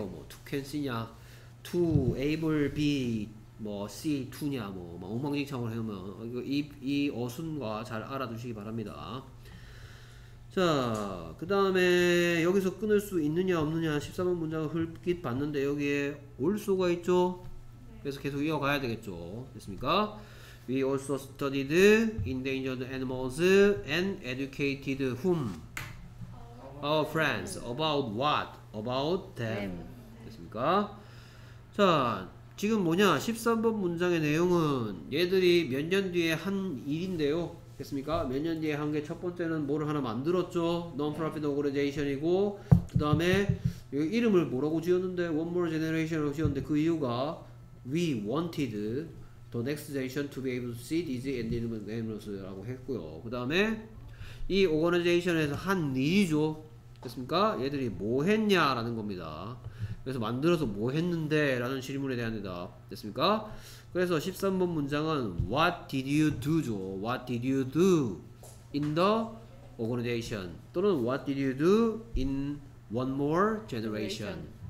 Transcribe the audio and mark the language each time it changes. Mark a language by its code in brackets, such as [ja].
[ko] 뭐 to can see냐, to able be, 뭐 see to냐, 뭐 막 엉망진창으로 해놓으면 이 어순과 잘 알아두시기 바랍니다. 자, 그 다음에 여기서 끊을 수 있느냐 없느냐 13번 문장을 흘낏 봤는데 여기에 also가 있죠. 그래서 계속 이어가야 되겠죠. 됐습니까? [en] We also studied endangered animals and educated whom? Our friends. About what? About them. 됐습니까? [ko] 자, 지금 뭐냐? 13번 문장의 내용은 얘들이 몇 년 뒤에 한 일인데요. 됐습니까? 몇 년 뒤에 한 게 첫 번째는 뭐를 하나 만들었죠? Non-profit organization이고 그 다음에 이름을 뭐라고 지었는데? [en] One more generation으로 [ko] 지었는데 그 이유가 [en] We wanted The next generation to be able to see these endangered animals [ko] 라고 했고요. 그 다음에 이 organization에서 한 일이죠. 됐습니까? 얘들이 뭐 했냐 라는 겁니다. 그래서 만들어서 뭐 했는데 라는 질문에 대한 대답. 됐습니까? 그래서 13번 문장은 [en] What did you do [ko] 죠. [en] What did you do in the organization 또는 What did you do in one more generation.